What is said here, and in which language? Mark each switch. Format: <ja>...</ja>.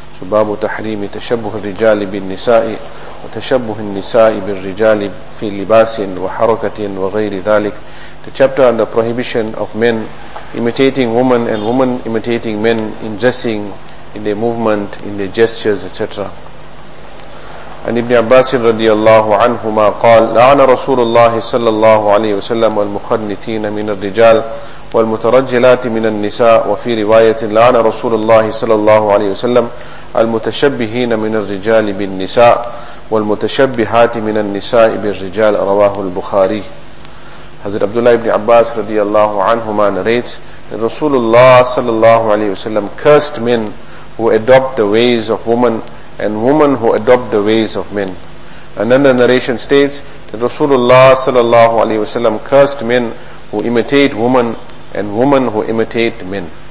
<ar>باب تحريم تشبه الرجال بالنساء وتشبه النساء بالرجال في لباس وحركة وغير ذلك.</ar> <en>The chapter on the prohibition of men imitating women and women imitating men in dressing, in their movement, in their gestures, etc.</en> <ar>عن ابن عباس رضي الله عنهما قال لعن رسول الله صلى الله عليه وسلم المخنثين من الرجال والمترجلات من النساء وفي رواية لعن رسول الله صلى الله عليه وسلم المتشبهين من الرجال بالنساء والمتشبهات من النساء بالرجال رواه البخاري.</ar> <en>حضرت عبداللہ ابن عباس رضی اللہ عنہما narrates that Rasulullah sallallahu alayhi wasallam cursed men who adopt the ways of women and women who adopt the ways of men. Another narration states that Rasulullah sallallahu alayhi wasallam cursed men who imitate women and women who imitate men.</en>